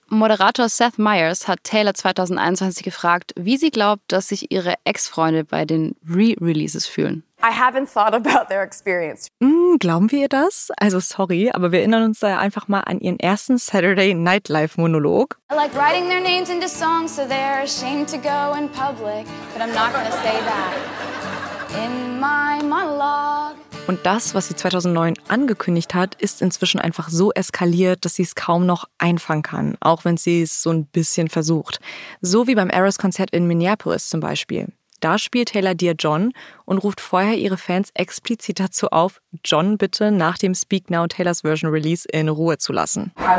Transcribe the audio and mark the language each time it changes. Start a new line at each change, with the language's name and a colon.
German: Moderator Seth Meyers hat Taylor 2021 gefragt, wie sie glaubt, dass sich ihre Ex-Freunde bei den Re-Releases fühlen.
English: I haven't thought about their experience.
German: Glauben wir ihr das? Also sorry, aber wir erinnern uns da einfach mal an ihren ersten Saturday Night Live Monolog.
English: I like writing their names into songs, so they're ashamed to go in public, but I'm not gonna say that in my monologue.
German: Und das, was sie 2009 angekündigt hat, ist inzwischen einfach so eskaliert, dass sie es kaum noch einfangen kann, auch wenn sie es so ein bisschen versucht. So wie beim Eras-Konzert in Minneapolis zum Beispiel. Da spielt Taylor Dear John und ruft vorher ihre Fans explizit dazu auf, John bitte nach dem Speak Now Taylor's Version Release in Ruhe zu lassen.